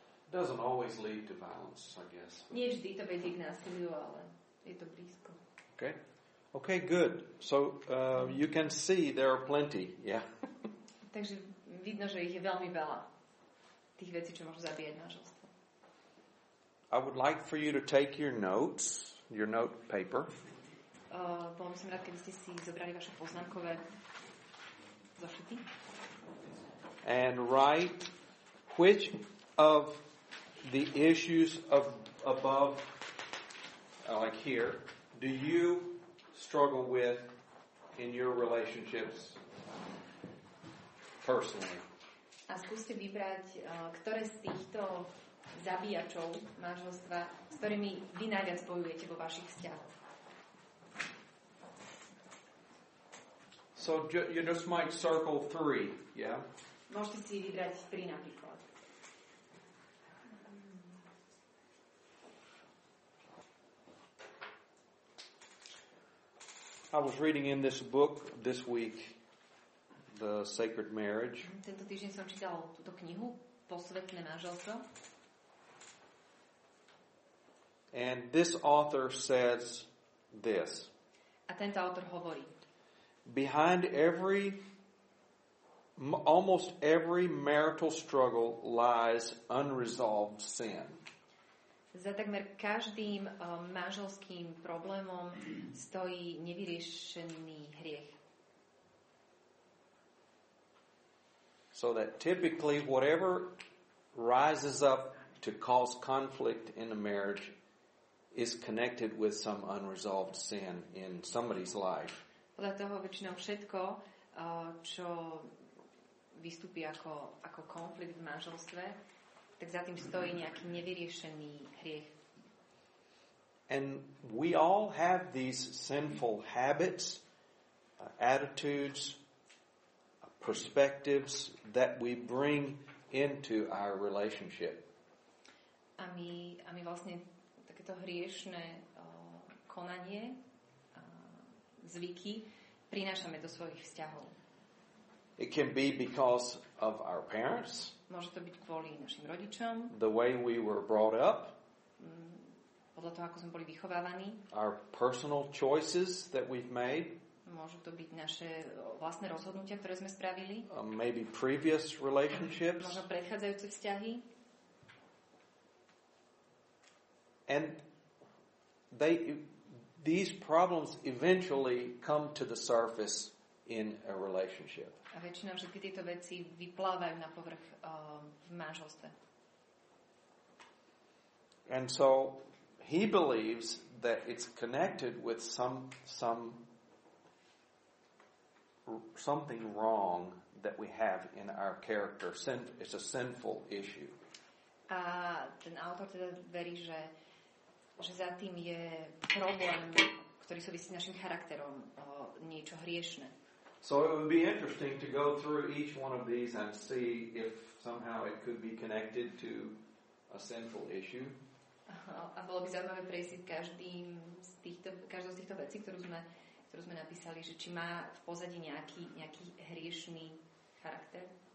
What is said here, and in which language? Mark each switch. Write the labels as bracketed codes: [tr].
[en] Doesn't always lead to violence, I guess. [sk] Nie vždy to vedie k násiliu, ale je to blízko. [en] Okay. Okay, good. So, you can see there are plenty, yeah. [sk] Takže vidno, že ich je veľmi veľa. Tých vecí, čo môžu zabíjať manželstvo. [en] I would like for you to take your notes, your note paper. [sk] Bolo by som rád, keby ste si zobrali vaše poznámkové zošity. [en] And write which of the issues of above, like here, do you struggle with in your relationships personally? [sk] a skúste vybrať, ktoré z týchto zabíjačov manželstva, s ktorými vy najviac bojujete vo vašich vzťahoch. [en] So you just might circle three, yeah? [sk] Môžete si vybrať tri napríklad. [en] I was reading in this book this week, The Sacred Marriage. [sk] Tento týždeň som čítal túto knihu, Posvetné manželstvo. [en] And this author says this. [sk] A tento autor hovorí. [en] Behind every, almost every marital struggle lies unresolved sin. [sk] Za takmer každým manželským problémom stojí nevyriešený hriech. [en] So that typically whatever rises up to cause conflict in a marriage is connected with some unresolved sin in somebody's life. [sk] Podľa toho väčšinou všetko, čo vystúpi ako, ako konflikt v manželstve, tak za tým stojí nejaký nevyriešený hriech. [en] And we all have these sinful habits, attitudes, perspectives that we bring into our relationship. [sk] A my vlastne takéto hriešne konanie, zvyky prinášame do svojich vzťahov. [en] It can be because of our parents. [sk] Môže to byť kvôli našim rodičom. [en] The way we were brought up. [sk] Podľa toho, ako sme boli vychovávaní. [en] Our personal choices that we've made. [sk] Môžu to byť naše vlastné rozhodnutia, ktoré sme spravili. [en] Maybe previous relationships. [sk] Možno predchádzajúce vzťahy. [en] And these problems eventually come to the surface in a relationship. [sk] A väčšina všetky tieto veci vyplávajú na povrch v manželstve. [en] And so he believes that it's connected with something wrong that we have in our character. It's a sinful issue. [sk] A ten autor teda verí, že za tým je problém, ktorý súvisí s našim charakterom, niečo hriešne. [en] So it would be interesting to go through each one of these and see if somehow it could be connected to a sinful issue. [sk] A bolo by zaujímavé prejsť každou z týchto vecí, ktorú sme napísali, že či má v pozadí nejaký hriešný charakter.